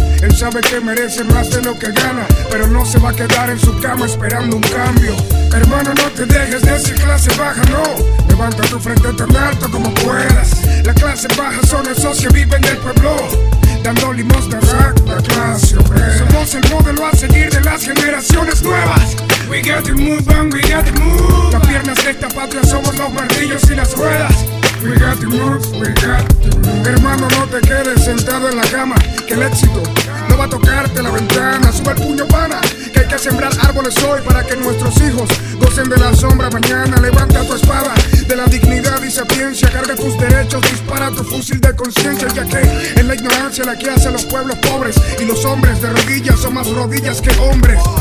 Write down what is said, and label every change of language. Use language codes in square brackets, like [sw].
[es] Él sabe que merece más de lo que gana, pero no se va a quedar en su cama esperando un cambio. Hermano, no te dejes de esa clase baja, no. Levanta tu frente tan alto como puedas. La clase baja son esos que viven del pueblo, dando limosnas a la clase obrera. Somos el modelo a seguir de las generaciones nuevas. [en] We got to move on, we got to move. [es] Las piernas de esta patria somos los martillos y las ruedas. [en] We got to move, we got to move. [es] Hermano, no te quedes sentado en la cama, que el éxito no va a tocarte la ventana. Sube el puño, pana, que hay que sembrar árboles hoy para que nuestros hijos gocen de la sombra mañana. Levanta tu espada de la dignidad y sapiencia, carga tus derechos, dispara tu fusil de conciencia, ya que es la ignorancia la que hace a los pueblos pobres, y los hombres de rodillas son más rodillas que hombres.